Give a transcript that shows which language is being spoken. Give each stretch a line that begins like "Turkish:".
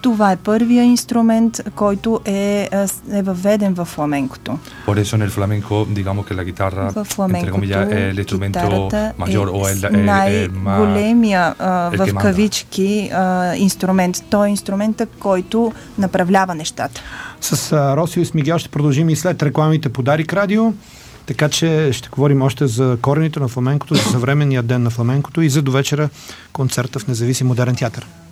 Bulgarian: Това е първия инструмент, който е въведен в фламенкото.
Spanish: Por eso en el flamenco digamos que la guitarra, entre comillas, es el instrumento mayor o el
Bulgarian: най-големия в кавички инструмент. Той е инструмента, който направлява нещата. С Росио и с Мигел ще продължим и след рекламите по Дарик Радио, така че ще говорим още за корените на фламенкото, за съвременния ден на фламенкото и за довечера концерта в независим модерен театър.